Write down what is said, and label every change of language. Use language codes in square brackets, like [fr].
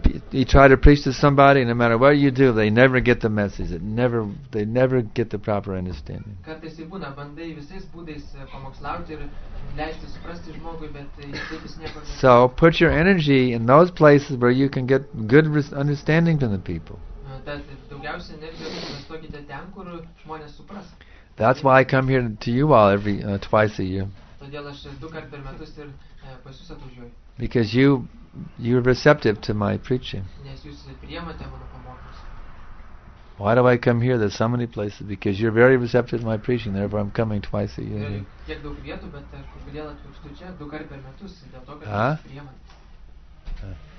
[en] You try to preach to somebody, no matter what you do, they never get the message. They never get the proper understanding. [lt] Kartais ir būna, bandai visais būdais pamokslauti ir leisti suprasti žmogui, bet taip jis nieko. [en] So put your energy in those places where you can get good understanding from the people. [lt] Tad daugiausia energijos investuokite ten, kur žmonės supras. [en] That's why I come here to you all every twice a year. [lt] Todėl aš du kart per metus ir pas jūs atvažiuoju. [en] Because you're receptive to my preaching. [lt] Nes jūs priėmate mano pamokymus. [en] Why do I come here? There's so many places because you're very receptive to my preaching. Therefore, I'm coming twice a year. [lt] Tiek daug vietų, bet kodėl atvykstu čia du kart per metus, dėl to, kad jūs priėmate.